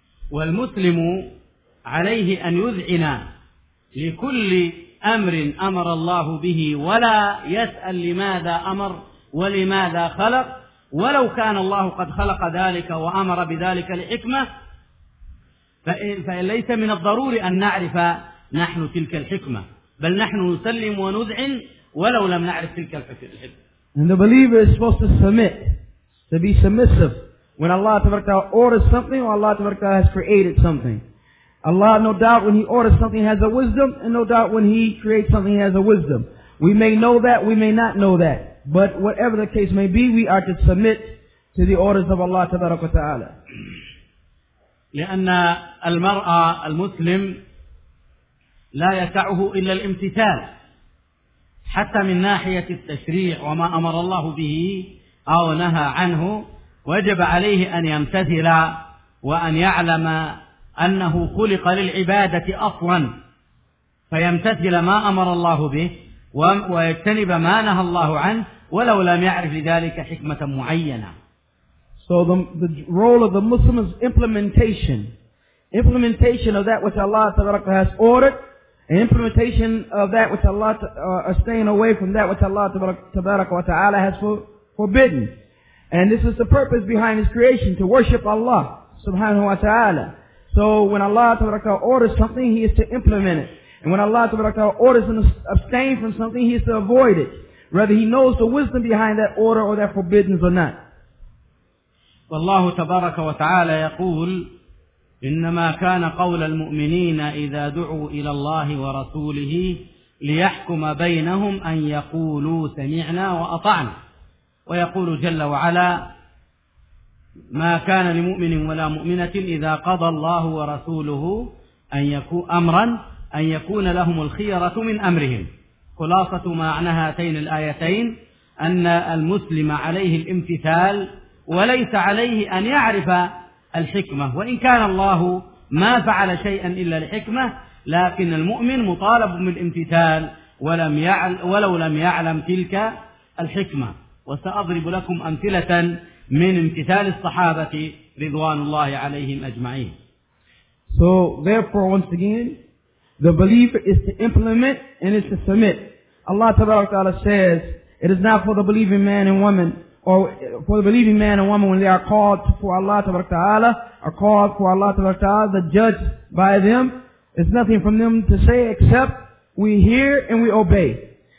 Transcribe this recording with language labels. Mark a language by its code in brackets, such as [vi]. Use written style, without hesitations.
[ar] والمسلم عليه أن يذعن لكل أمر أمر الله به ولا يسأل لماذا أمر ولماذا خلق ولو كان الله قد خلق ذلك وأمر بذلك لحكمة فليس من الضروري أن نعرف نحن تلك الحكمة بل نحن نسلم ونذعن ولو لم نعرف تلك الحكمة. [en] And the believer is supposed to submit, to be submissive when Allah orders something or Allah has created something. Allah, no doubt, when He orders something, has a wisdom, and no doubt, when He creates something, He has a wisdom. We may know that, we may not know that. But whatever the case may be, we are to submit to the orders of Allah [ar] تبارك وتعالى. لأن المرء المسلم لا يسعه إلا الامتثال حتى من ناحية التشريع وما أمر الله به أو نهى عنه وجب عليه أن يمتثل وأن يعلم أنه خلق للعبادة أصلا فيمتثل ما أمر الله به ويجتنب ما نهى الله عنه ولو لم يعرف لذلك حكمة معينة. [en] So the role of the Muslim is implementation of that which Allah has ordered, an implementation of that which Allah staying away from that which Allah Ta'ala has forbidden. And this is the purpose behind His creation, to worship Allah [ar] subhanahu wa ta'ala. [en] So when Allah Ta'ala orders something, He is to implement it. And when Allah Ta'ala orders him to abstain from something, he is to avoid it, whether he knows the wisdom behind that order or that forbidden or not. [ar] والله تبارك وتعالى يقول إنما كان قول المؤمنين إذا دعوا إلى الله ورسوله ليحكم بينهم أن يقولوا سمعنا وأطعنا ويقول جل وعلا ما كان لمؤمن ولا مؤمنة إذا قضى الله ورسوله أن يكون أمرا أن يكون لهم الخيرة من أمرهم خلاصة ما معنى هاتين الآيتين أن المسلم عليه الامتثال وليس عليه أن يعرف الحكمة وإن كان الله ما فعل شيئا إلا لحكمة لكن المؤمن مطالب بالامتثال ولو لم يعلم تلك الحكمة وسأضرب لكم أمثلة من امتثال الصحابة رضوان الله عليهم أجمعين. [en] So therefore once again the believer is to implement and is to submit. Allah Ta'ala says it is not for the believing man and woman or for the believing man and woman when they are called for Allah Ta'ala, are called for Allah Ta'ala, the judge by them, it's nothing from them to say except we hear and we obey.